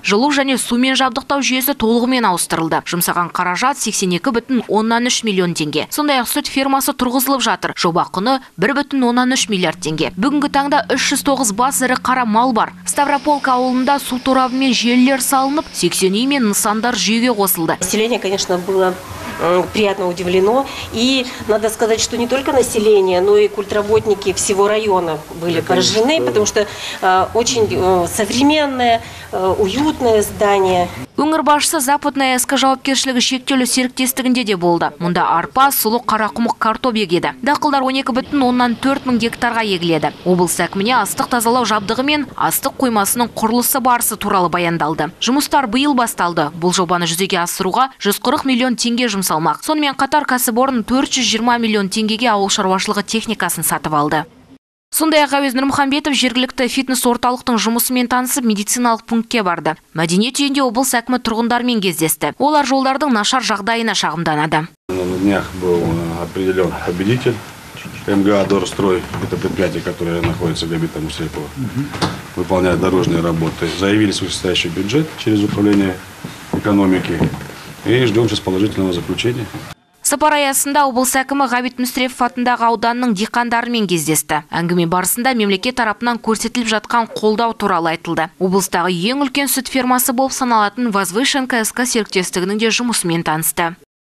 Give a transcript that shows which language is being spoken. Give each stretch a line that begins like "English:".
Kazakh: Жылу және сумен жабдықтау жүйесі толығымен ауыстырылды. Жұмсаған қаражат 82,3 миллион теңге. Сондай-ақ сүт фермасы тұрғызылып жатыр. Жоба құны 1,3 миллиард теңге. Бүгінгі таңда 309 бас ірі қара мал бар. Ставрополка ауылында су торабы мен желілер салынып, 80 үй мен нысандар жүйеге қосылды.
Russian: Население, конечно, было приятно удивлено. И надо сказать, что не только население, но и культработники всего района были поражены, потому что очень современное, уютное здание.
Kazakh: Өңір басшысы Западная СК жауапкершілігі шектеулі серіктестігінде де болды. Мұнда арпа, сұлы, қарақұмық, картоп егеді. Дақылдар 12,4 мың гектарға егіледі. Облыс әкіміне астық тазалау жабдығы мен астық қоймасының құрылысы барысы туралы баяндалды. Жұмыстар биыл басталды. Бұл жобаны жүзеге асыруға 140 миллион теңге жұмсалмақ. Сонымен қатар кәсіпорын 420 миллион теңгеге ауыл шаруашылығы техникасын сатып алды. Сондай-ақ Ғауез Нұрмұхамбетов жергілікті фитнес-орталықтың жұмысымен танысып, медициналық пунктке барды. Мәдениет үйінде облыс әкімі тұрғындармен кездесті. Олар жолдардың нашар жағдайына шағымданады.
Russian: На днях был определен победитель. МГА «Дорстрой» – это предприятие, которое находится в Габита Мусрепова, выполняет дорожные работы. Заявили свой состоящий бюджет через управление экономики. И ждем сейчас положительного заключения.
Kazakh: Сапар аясында облыс әкімі Ғабит Мүсірепов атындағы ауданның диқандарымен кездесті. Әңгіме барысында мемлекет тарапынан көрсетіліп жатқан қолдау туралы айтылды. Облыстағы ең үлкен сүт фермасы болып саналатын Возвышенка СК серіктестігінің де жұмысымен танысты.